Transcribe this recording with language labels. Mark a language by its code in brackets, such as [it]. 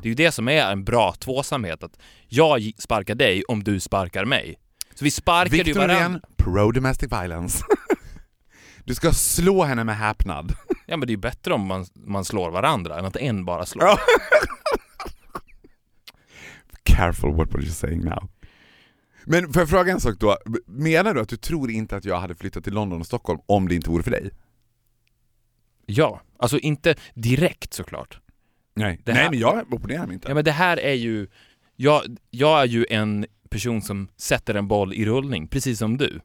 [sv] Det är ju det som är en bra tvåsamhet. Att jag sparkar dig om du sparkar mig. Så vi sparkade Victor ju varandra. [en] Victor pro domestic violence. [sv] Du ska slå henne med häpnad. Ja, men det är ju bättre om man slår varandra än att en bara slår. [en] Careful what you're saying now. [sv] Men får jag fråga en sak då? Menar du att du tror inte att jag hade flyttat till London och Stockholm om det inte vore för dig? Ja, alltså inte direkt såklart. Nej, det här, nej men jag opponerar mig inte. Ja, men det här är ju... Jag är ju en person som sätter en boll i rullning, precis som du.